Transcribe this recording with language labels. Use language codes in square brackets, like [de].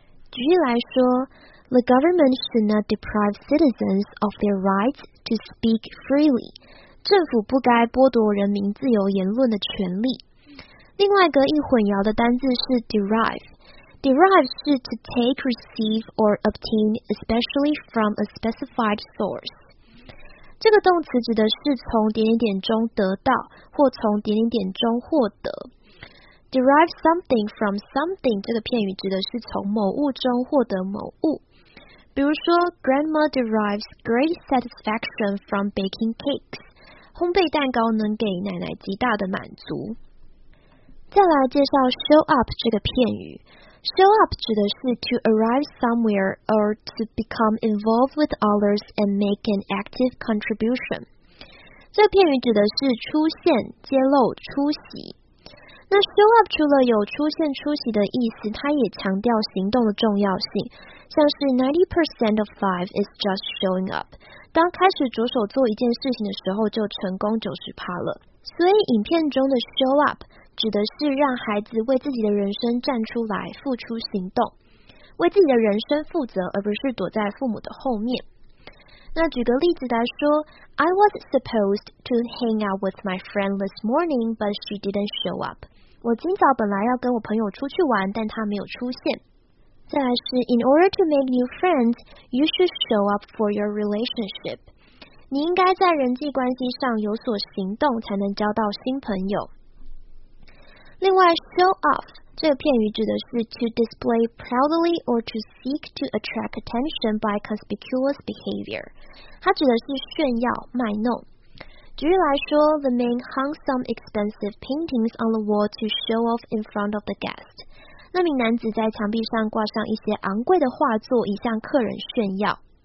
[zh] 举例来说 [en] The government should not deprive citizens of their rights to speak freely. [zh] 政府不该剥夺人民自由言论的权利。另外一个易混淆的单字是 [en] derive. Derive [zh] 是 [en] to take, receive or obtain especially from a specified source. [zh] 这个动词指的是从点点点中得到或从点点点中获得。 [en] Derive something from something [zh] 这个片语指的是从某物中获得某物。比如说 [en] Grandma derives great satisfaction from baking cakes. [zh] 烘焙蛋糕能给奶奶极大的满足。再来介绍 show up 这个片语。 [en] Show up [zh] 指的是 [en] to arrive somewhere or to become involved with others and make an active contribution. [zh] 这片语指的是出现、揭露、出席。那 show up 除了有出现、出席的意思，它也强调行动的重要性。像是 [en] 90% of life is just showing up. [zh] 当开始着手做一件事情的时候就成功 90% 了。所以影片中的 show up,指的是让孩子为自己的人生站出来，付出行动，为自己的人生负责，而不是躲在父母的后面。那举个例子来说 [en] ，I was supposed to hang out with my friend this morning, but she didn't show up. [zh] 我今早本来要跟我朋友出去玩，但她没有出现。再来是 [en] ，In order to make new friends, you should show up for your relationship. [zh] 你应该在人际关系上有所行动，才能交到新朋友。另外 [en] show off [zh] 这个片语指的是 [en] to display proudly or to seek to attract attention by conspicuous behavior. [zh] 它指的是炫耀、卖弄。举例来说 [en] the man hung some expensive paintings on the wall to show off in front of the guest. [zh] 那名男子在墙壁上挂上一些昂贵的画作以向客人炫耀。